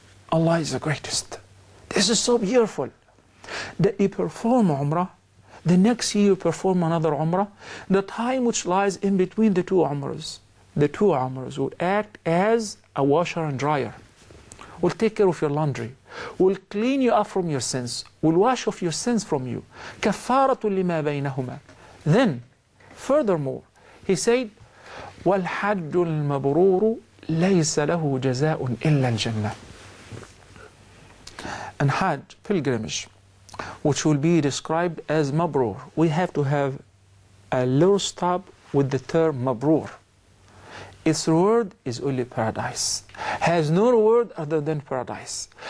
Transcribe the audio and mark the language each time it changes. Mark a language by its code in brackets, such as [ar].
[en] Allah is the greatest. This is so beautiful. That you perform Umrah, the next year you perform another Umrah, the time which lies in between the two Umrahs the two umrahs will act as a washer and dryer, will take care of your laundry, will clean you up from your sins, will wash off your sins from you. [ar] كَفَّارَةٌ لِمَا بَيْنَهُمَا. [en] Then, furthermore, he said, [ar] وَالْحَجُّ الْمَبْرُورُ لَيْسَ لَهُ جَزَاءٌ إِلَّا الْجَنَّةِ. [en] And Hajj, pilgrimage, which will be described as mabrur. We have to have a little stop with the term mabrur. Its reward is only paradise. Has no reward other than paradise.